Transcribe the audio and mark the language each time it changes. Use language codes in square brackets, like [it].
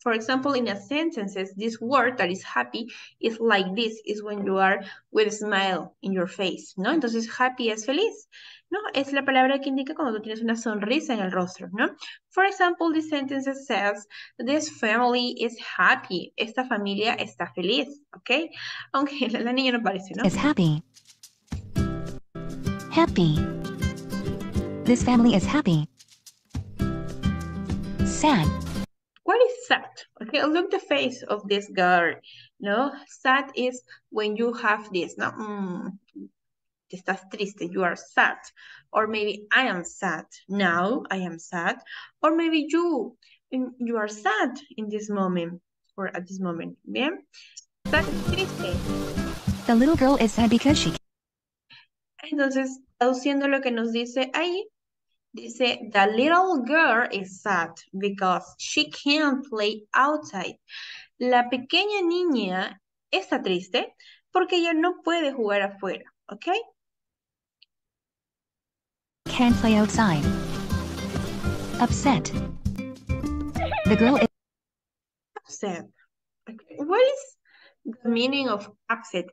[en] For example, in a sentence, this word that is happy is like this, is when you are with a smile in your face, no? [es] Entonces, happy es feliz, no? Es la palabra que indica cuando tú tienes una sonrisa en el rostro, no? [en] For example, this sentence says, this family is happy. [es] Esta familia está feliz, okay? Aunque la niña no parece, no? [en] Is happy. Happy. This family is happy. Sad. What is sad? Okay, look the face of this girl. No, sad is when you have this. [es] No, estás triste. [en] You are sad. Or maybe I am sad. Now I am sad. Or maybe you are sad in this moment or at this moment. Bien. Sad is triste. The little girl is sad because she. [es] Entonces, traduciendo lo que nos dice ahí. [en] Dice, the little girl is sad because she can't play outside. [es] La pequeña niña está triste porque ella no puede jugar afuera, ¿ok? [en] Can't play outside. Upset. The girl is upset. Okay. What is the meaning of upset?